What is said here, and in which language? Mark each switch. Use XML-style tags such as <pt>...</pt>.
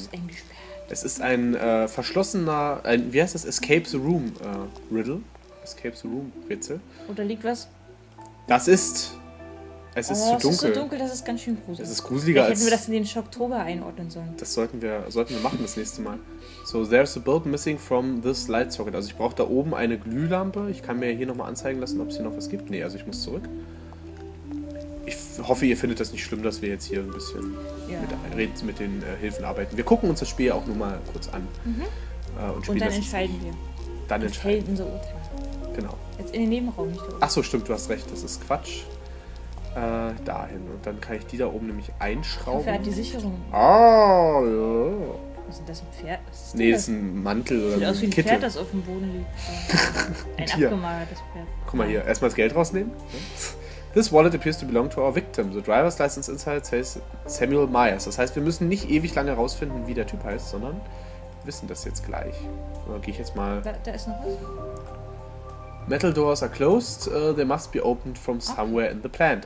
<de>Das ist eng gesperrt. Es ist ein verschlossener, ein, wie heißt das, Escape the Room Riddle. Escape the Room Rätsel. Und da liegt was? Das ist, es ist zu dunkel. Es ist so dunkel, das ist ganz schön gruselig. Es ist gruseliger als... Hätten wir das in den Schocktober einordnen sollen. Das sollten wir machen das nächste Mal.</de> <en>So, there's a bulb missing from this light socket.</en> <de>Also ich brauche da oben eine Glühlampe. Ich kann mir hier nochmal anzeigen lassen, ob es hier noch was gibt. Nee, also ich muss zurück. Ich hoffe, ihr findet das nicht schlimm, dass wir jetzt hier ein bisschen mit den Hilfen arbeiten. Wir gucken uns das Spiel auch nur mal kurz an. Mhm. Und dann entscheiden wir. Dann entscheiden wir. Unser Urteil. Genau. Jetzt in den Nebenraum nicht. Ach so, stimmt, du hast recht, das ist Quatsch. Dahin. Und dann kann ich die da oben nämlich einschrauben. Dafür hat die Sicherung. Ah, ja. Was ist das, ein Pferd? Ist das, nee, das ist ein Mantel oder sieht aus wie ein Kittel. Pferd, das auf dem Boden liegt. Ein abgemagertes Pferd. Guck mal hier, erstmal das Geld rausnehmen.</de> <en>This wallet appears to belong to our victim. The driver's license inside says Samuel Myers.</en> <de>Das heißt, wir müssen nicht ewig lange rausfinden, wie der Typ heißt, sondern wissen das jetzt gleich. Oder gehe ich jetzt mal... Da ist noch was.</de> <en>Metal doors are closed. They must be opened from somewhere in the plant.</en>